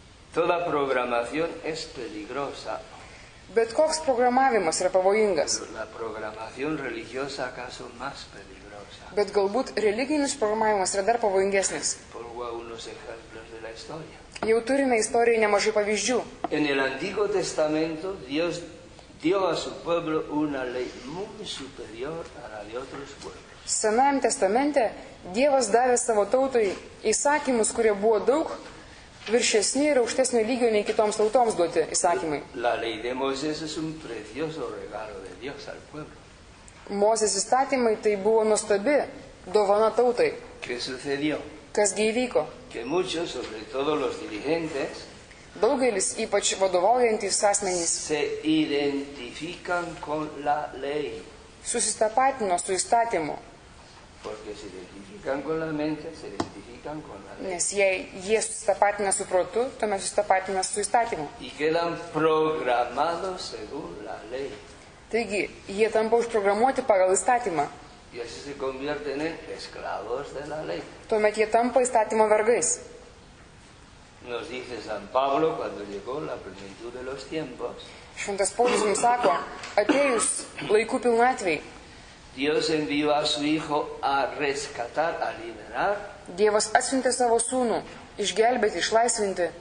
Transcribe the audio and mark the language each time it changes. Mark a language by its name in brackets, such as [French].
[Spanish] Toda programación es peligrosa. [Lithuanian] Bet koks programavimas yra pavojingas. [Spanish] La programación religiosa acaso más peligrosa. [Lithuanian] Bet galbūt religinis programavimas yra dar pavojingesnis. [Spanish] Por unos ejemplos de la historia. [Lithuanian] Jau turime istorijai nemažai pavyzdžių. [Spanish] En el Antiguo Testamento Dios dio a su pueblo una ley muy superior a la de otros pueblos. [Lithuanian] Senajame testamente Dievas davė savo tautui įsakymus, kurie buvo daug viršesni ir aukštesnio lygio nei kitoms tautoms duoti įsakymai. [Spanish] La ley de Moisés es un precioso regalo de Dios al pueblo. [Lithuanian] Mozės įstatymai tai buvo nuostabi dovana tautai. [Spanish] ¿Qué sucedió? [Lithuanian] Kas gi įvyko? [Spanish] Que muchos, sobre todo los dirigentes, [Lithuanian] daugelis, ypač vadovaujantys asmenys, [Spanish] se identifican con la ley. [Lithuanian] Susitapatino su įstatymu. [Spanish] Porque se identifican con la mente, se identifican con la ley. [Lithuanian] Nes jei jie susitapatina su protu, tuomet susitapatina su įstatymu. [Spanish] Y quedan programados según la ley. [Lithuanian] Taigi, jie tampa užprogramuoti pagal įstatymą. [Spanish] Y así se convierten en esclavos de la ley. [Lithuanian] Tuomet jie tampa įstatymo vergais. [Spanish] Nos dice San Pablo cuando llegó la plenitud de los tiempos. [Lithuanian] Šventas Paulius mums sako, atėjus laikų pilnatvei. [Spanish] Dios envió a su hijo a rescatar, a liberar. [Lithuanian] Dievas atsiuntė savo sūnų išgelbėti, išlaisvinti.